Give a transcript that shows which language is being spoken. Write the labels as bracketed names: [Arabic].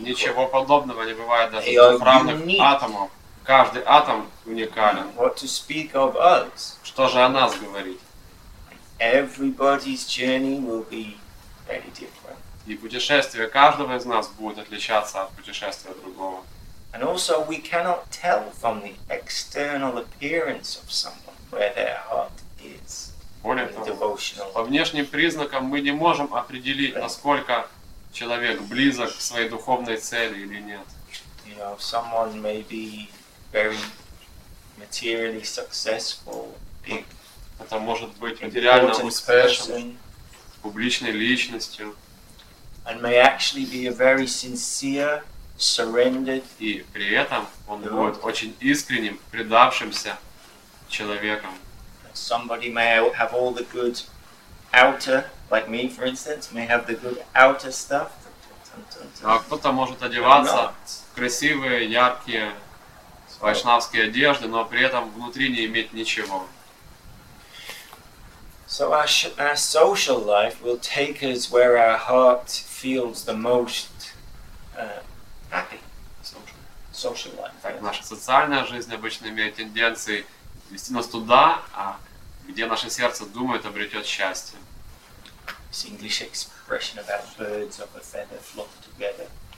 [Russian] Ничего подобного не бывает даже двух равных атомов. Каждый атом уникален. [English] What to speak of us? [Russian] Что же о нас говорить? [English] Everybody's journey will be very different. [Russian] И путешествие каждого из нас будет отличаться от путешествия другого. [English] And also we cannot tell from the external appearance of someone where their heart is. [Russian] Более того, devotional. По внешним признакам мы не можем определить, right. Насколько человек близок к своей духовной цели или нет. [English] Someone may be very materially successful. [Russian] Это может быть материально успешным, публичной личностью. [English] And may actually be a very sincere, surrendered. [Russian] И при этом он будет очень искренним, предавшимся человеком. [English] Somebody may have all the good outer like me, for instance, may have the good outer stuff. [Russian] А кто-то может одеваться в красивые, яркие вайшнавские одежды, но при этом внутри не иметь ничего. [English] So our social life will take us where our heart feels the most happy. Social life. [Russian] Так, наша социальная жизнь обычно имеет тенденции вести нас туда, а где наше сердце думает, обретет счастье. [English] This English expression about birds of a feather flock together.